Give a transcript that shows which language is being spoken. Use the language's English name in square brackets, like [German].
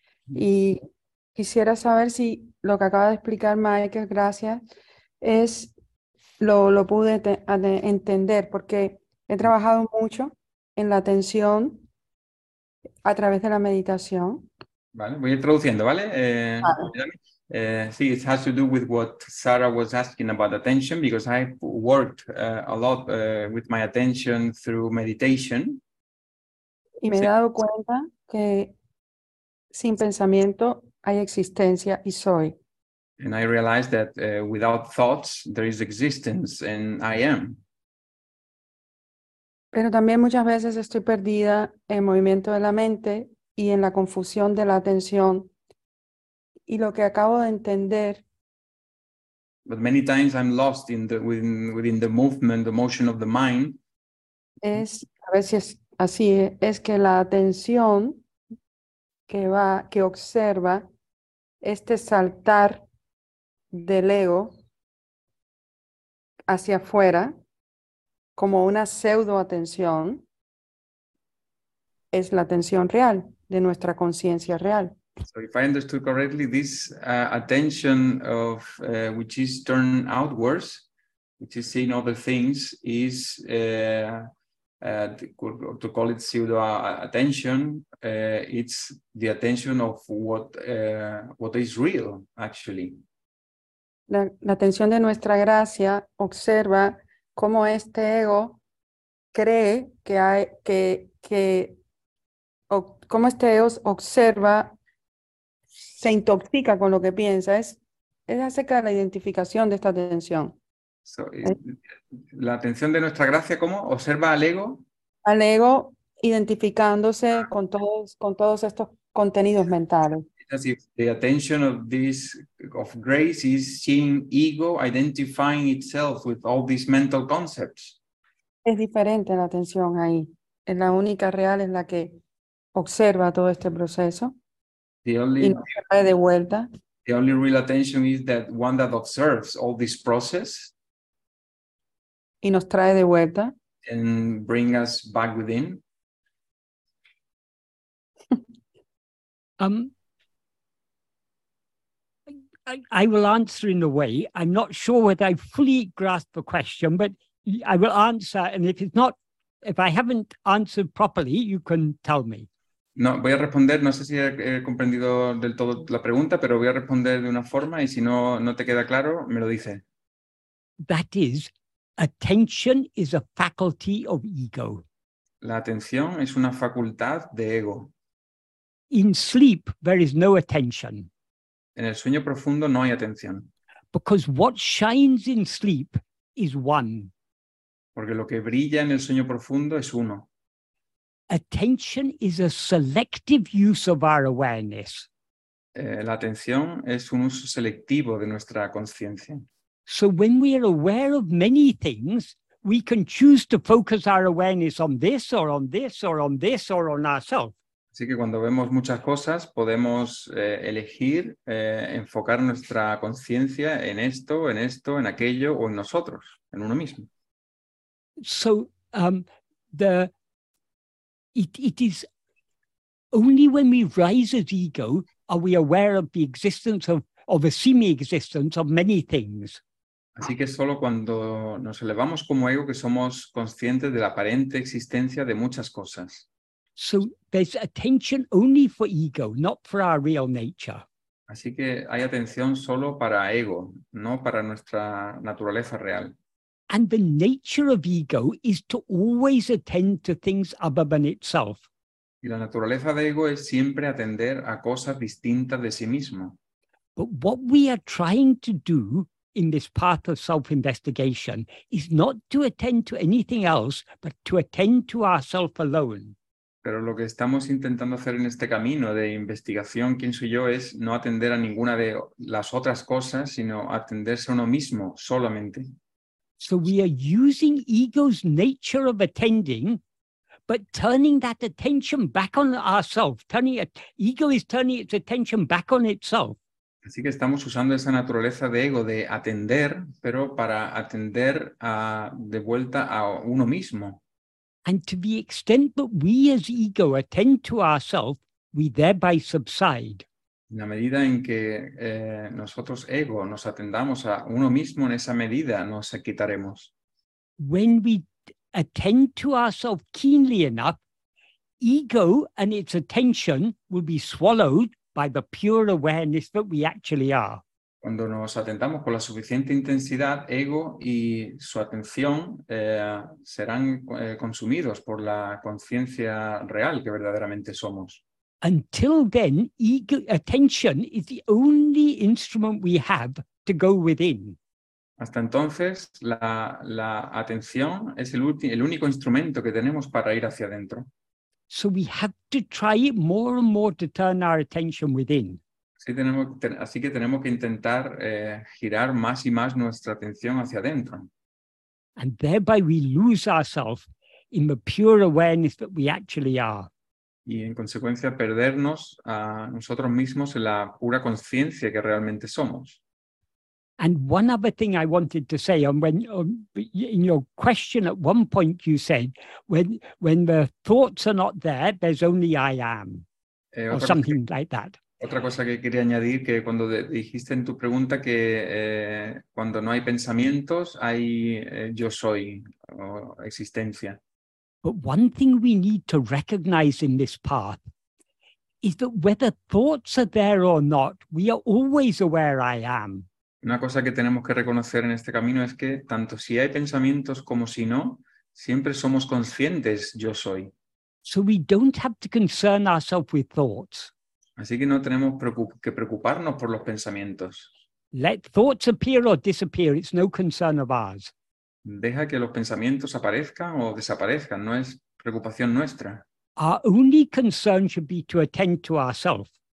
[Spanish] Y quisiera saber si lo que acaba de explicar Michael, gracias, es lo pude entender, porque he trabajado mucho en la tensión a través de la meditación. Vale, voy a ir traduciendo, ¿vale? [English] Sí, it has to do with what Sarah was asking about attention, because I worked a lot with my attention through meditation. [Spanish] Y me he dado cuenta que sin pensamiento hay existencia y soy. [English] And I realized that without thoughts there is existence and I am. [Spanish] Pero también muchas veces estoy perdida en movimiento de la mente y en la confusión de la atención. Y lo que acabo de entender. [English] But many times I'm lost in the within the movement, the motion of the mind. [Spanish] Es a veces así es que la atención que va, que observa este saltar del ego hacia afuera como una pseudo atención es la atención real de nuestra conciencia real. [English] So if I understood correctly, this attention of which is turned outwards, which is seeing other things, is to call it pseudo attention, it's the attention of what is real actually. [Spanish] La atención de nuestra gracia observa cómo este ego cree que hay que o cómo este ego observa, se intoxica con lo que piensa, es acerca de la identificación de esta atención. So, la atención de nuestra gracia, ¿cómo? ¿Observa al ego? Al ego identificándose con todos estos contenidos mentales. [English] As if the attention of this of grace is seeing ego identifying itself with all these mental concepts. [Spanish] Es diferente la atención ahí. Es la única real en la que observa todo este proceso. [English] The only, [Spanish] y no se trae de vuelta. [English] The only real attention is that one that observes all this process. [Spanish] Y nos trae de vuelta. [English] And bring us back within. I will answer in a way. I'm not sure whether I fully grasp the question, but I will answer. And if it's not, if I haven't answered properly, you can tell me. [Spanish] No, voy a responder. No sé si he comprendido del todo la pregunta, pero voy a responder de una forma. Y si no te queda claro, me lo dice. [English] That is, attention is a faculty of ego. [Spanish] La atención es una facultad de ego. [English] In sleep, there is no attention. [Spanish] En el sueño profundo no hay atención. [English] Because what shines in sleep is one. [Spanish] Porque lo que brilla en el sueño profundo es uno. [English] Attention is a selective use of our awareness. [Spanish] La atención es un uso selectivo de nuestra conciencia. [English] So when we are aware of many things, we can choose to focus our awareness on this or on this or on this or on ourselves. [Spanish] Así que cuando vemos muchas cosas, podemos elegir enfocar nuestra conciencia en esto, en aquello o en nosotros, en uno mismo. [English] So, it is only when we rise as ego are we aware of the existence of a semi-existence of many things. [Spanish] Así que solo cuando nos elevamos como ego que somos conscientes de la aparente existencia de muchas cosas. [English] So there's attention only for ego, not for our real nature. [Spanish] Así que hay atención solo para ego, no para nuestra naturaleza real. [English] And the nature of ego is to always attend to things other than itself. [Spanish] Y la naturaleza de ego es siempre atender a cosas distintas de sí mismo. [English] But what we are trying to do in this path of self-investigation is not to attend to anything else, but to attend to ourself alone. [Spanish] Pero lo que estamos intentando hacer en este camino de investigación, quién soy yo, es no atender a ninguna de las otras cosas, sino atenderse a uno mismo solamente. [English] So we are using ego's nature of attending, but turning that attention back on ourselves. Ego is turning its attention back on itself. [Spanish] Así que estamos usando esa naturaleza de ego de atender, pero para atender de vuelta a uno mismo. [English] And to the extent that we as ego attend to ourselves, we thereby subside. [Spanish] En la medida en que nosotros ego nos atendamos a uno mismo, en esa medida nos quitaremos. [English] When we attend to ourselves keenly enough, ego and its attention will be swallowed by the pure awareness that we actually are. [Spanish] Cuando nos atentamos con la suficiente intensidad, ego y su atención serán consumidos por la conciencia real que verdaderamente somos. [English] Until then, ego attention is the only instrument we have to go within. [Spanish] Hasta entonces, la atención es el único instrumento que tenemos para ir hacia adentro. [English] So we have to try more and more to turn our attention within. [Spanish] Así que tenemos que intentar girar más y más nuestra atención hacia adentro. [English] And thereby we lose ourselves in the pure awareness that we actually are. [Spanish] Y en consecuencia perdernos a nosotros mismos en la pura conciencia que realmente somos. [English] And one other thing I wanted to say, in your question at one point you said, when the thoughts are not there, there's only I am, or something like that. [Spanish] Otra cosa que quería añadir, que cuando dijiste en tu pregunta que cuando no hay pensamientos, hay yo soy, o existencia. [English] But one thing we need to recognize in this path is that whether thoughts are there or not, we are always aware I am. [Spanish] Una cosa que tenemos que reconocer en este camino es que tanto si hay pensamientos como si no, siempre somos conscientes yo soy. [English] So we don't have to concern ourselves with thoughts. [Spanish] Así que no tenemos que preocuparnos por los pensamientos. [English] Let thoughts appear or disappear, it's no concern of ours. [Spanish] Deja que los pensamientos aparezcan o desaparezcan, no es preocupación nuestra. [English] Our only concern should be to attend to ourselves.